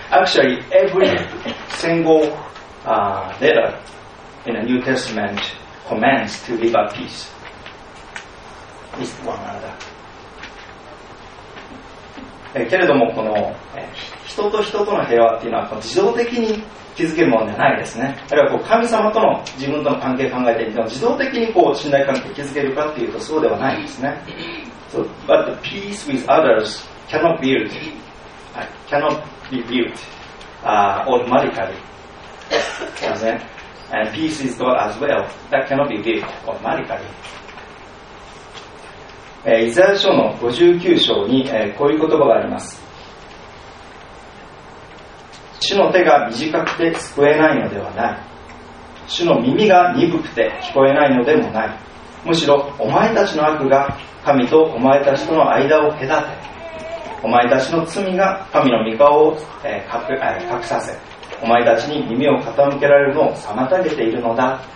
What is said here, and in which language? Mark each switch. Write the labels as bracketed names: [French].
[English] Actually, every single letter in the New Testament commands to live at peace with one another. [Japanese] けれどもこの人と人との平和っていうのは自動的に築けるものではないですね。あるいはこう神様との自分との関係を考えてみても自動的にこう信頼関係を築けるかっていうとそうではないんですね。 [English] So, But peace with others cannot build cannot be built automatically. And then, and peace is God as well. That cannot be built automatically. [Japanese] イザヤ書の59章に、こういう言葉があります。主の手が短くて救えないのではない、主の耳が鈍くて聞こえないのでもない、むしろお前たちの悪が神とお前たちとの間を隔て、お前たちの罪が神の御顔を、隠させ、お前たちに耳を傾けられるのを妨げているのだ。